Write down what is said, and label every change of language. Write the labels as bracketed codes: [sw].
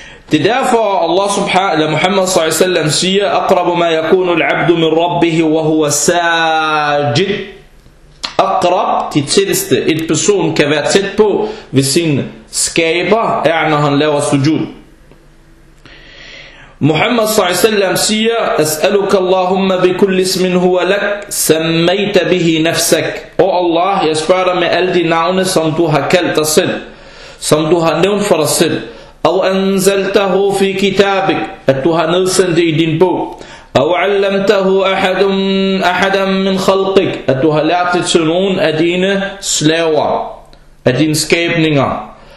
[da] Det er derfor, Allah subhanahu wa ta'ala, Muhammad sallallahu alaihi wasallam siger, [ar] أَقْرَبُ مَا يَكُونُ الْعَبْدُ مِنْ رَبِّهِ وَهُوَ سَاجِدْ. [da] Akrab, de tætteste, et person kan være tæt på ved sin skaber, er når han laver sujud. [ar] Muhammad sallallahu alaihi wasallam [da] siger, [ar] أَسْأَلُكَ اللَّهُمَّ بِكُلِّ اسْمٍ هُوَ لَكْ سَمَّيْتَ بِهِ نَفْسَكْ. [da] O Allah, jeg spørger dig med alle de navne, som du har kaldt dig selv, som du har nævnt for dig selv. [ar] أو أنزلته في كتابك [da] at du har nedsendt det i din bog. [ar] أو علمته أحدا من خلقك [da] at du har lært det til nogen af dine slaver, af dine skabninger.